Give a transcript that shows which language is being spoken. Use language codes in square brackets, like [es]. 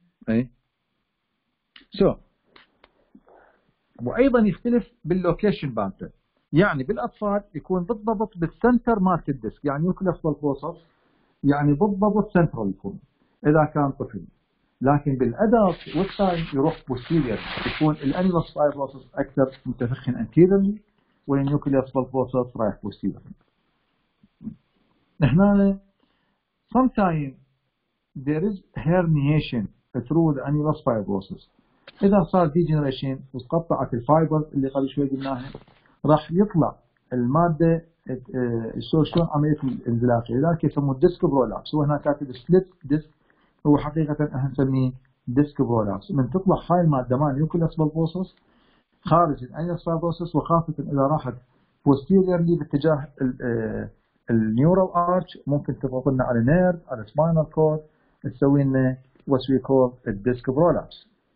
[ar] اي سو وايضا يختلف باللوكيشن بانتر، يعني بالاطفال يكون بالضبط بالسنتر مالت الديسك، يعني نيوكليوس والفوسس يعني بالضبط سنترال يكون اذا كان طفل، لكن بالادلت والتايم يروح بوستيريور، يكون الانيلوس فايبروسس اكثر متفخن انتيريرلي والنيوكليوس والفوسس رايح بوستيريور. هنا [en] sometimes there is herniation through the annulus fibrosis. [ar] إذا صار degeneration وتقطعت الفايبر اللي قبل شوي قلناها راح يطلع المادة شلون عملية الانزلاق لذلك يسموه disc prolapse. هو هنا كاتب split disc، هو حقيقة نسميه disc prolapse. من تطلع هاي المادة مع النيوكليوس بالفوسس خارج الانيلوس فايبروسس، وخاصة إذا راحت posteriorly باتجاه النيورال ارتش ممكن تضغط لنا على نيرف على سباينال كورد تسوي لنا [en] what we call a disc prolapse.